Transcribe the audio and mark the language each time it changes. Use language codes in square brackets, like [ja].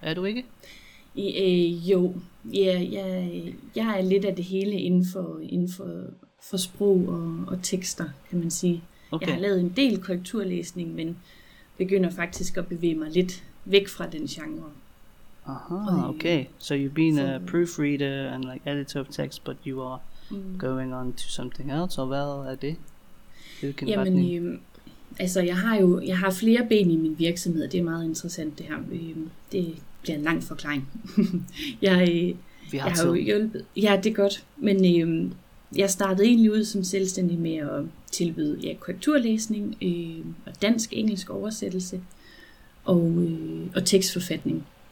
[da] Er du ikke? Jo. Ja, jeg er lidt af det hele inden for sprog og tekster, kan man sige. Okay. Jeg har lavet en del korrekturlæsning, men begynder faktisk at bevæge mig lidt væk fra den genre. [en] Okay, so you've been a proofreader and like editor of text, but you are going on to something else, or [da] hvad er det? Jamen, altså jeg har flere ben i min virksomhed, det er meget interessant det her. Det bliver en lang forklaring. jeg har jo hjulpet, ja det er godt, men jeg startede egentlig ud som selvstændig med at tilbyde korrekturlæsning og dansk-engelsk oversættelse og tekstforfatning.